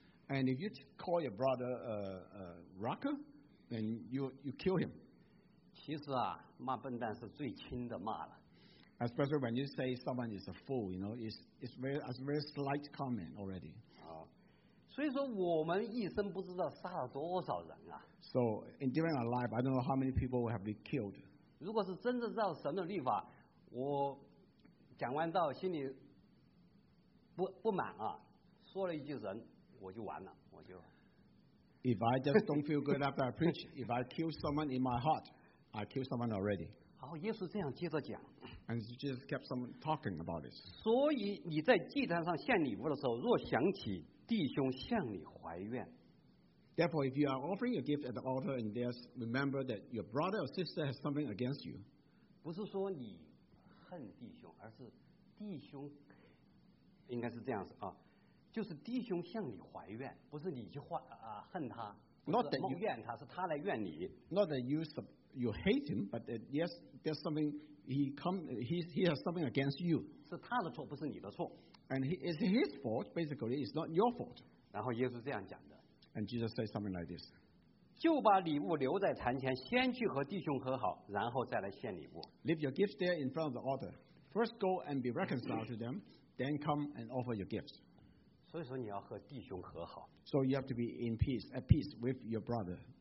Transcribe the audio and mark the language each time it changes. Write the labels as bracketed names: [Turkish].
[English] And if you call your brother Rocker, then you kill him. [Chinese] 其实啊，骂笨蛋是最轻的骂了。 [English] Especially when you say someone is a fool, you know, it's a very slight comment already. [Chinese] 所以说我们一生不知道杀了多少人啊。 [English] So, in during our life, I don't know how many people have been killed. [Chinese] 如果是真的照神的律法，我讲完道心里不满啊，说了一句人，我就完了，我就。 [English] If I just don't feel good after I preach, if I kill someone in my heart, I kill someone already. [Chinese] 好，耶稣这样接着讲。 [English] And Jesus kept someone talking about this. [Chinese] 所以你在祭坛上献礼物的时候，若想起弟兄向你怀怨。 [English] Therefore, if you are offering a gift at the altar and there's remember that your brother or sister has something against you. [Chinese] 不是说你恨弟兄，而是弟兄应该是这样子啊，就是弟兄向你怀怨，不是你去恨他，不是谋怨他，是他来怨你。 [English] Not that you hate him, but that yes, there's something he has something against you. [Chinese] 是他的错，不是你的错。 [English] And it's his fault, basically. It's not your fault. [Chinese] 然后耶稣这样讲的。 [English] And Jesus says something like this. [Chinese] 就把礼物留在坛前，先去和弟兄和好，然后再来献礼物。 [English] Leave your gifts there in front of the altar. First go and be reconciled to them, then come and offer your gifts. [Chinese] 所以说你要和弟兄和好。 [English] So you have to be in peace, at peace with your brother.